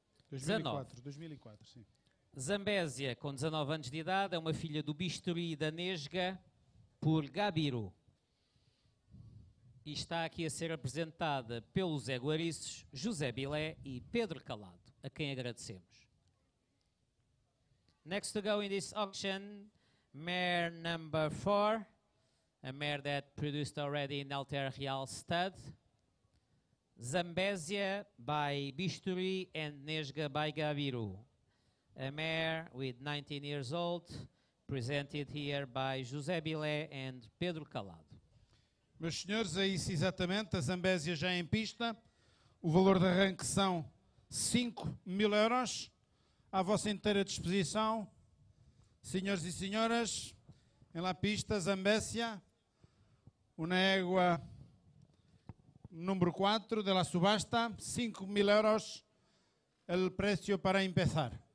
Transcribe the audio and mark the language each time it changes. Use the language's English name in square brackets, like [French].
[Portuguese] 2004, sim. Zambézia, com 19 anos de idade, é uma filha do bisturi e da nesga, por Gabiru. E está aqui a ser apresentada pelos éguarices José Bilé e Pedro Calado, a quem agradecemos. [English] Next to go in this auction, mare number 4, a mare that produced already in Alter Real Stud, Zambézia by Bisturi and Nesga by Gabiru. A mare with 19 years old, presented here by José Bilé and Pedro Calado. [Portuguese] Meus senhores, é isso exatamente, a Zambézia já é em pista. O valor de arranque são 5.000 euros. À vossa inteira disposição, senhores e senhoras, em [Spanish] la pista, [Portuguese] Zambézia, uma égua número 4 [Spanish] de la subasta, [Portuguese] 5.000 euros, [Spanish] el precio para empezar.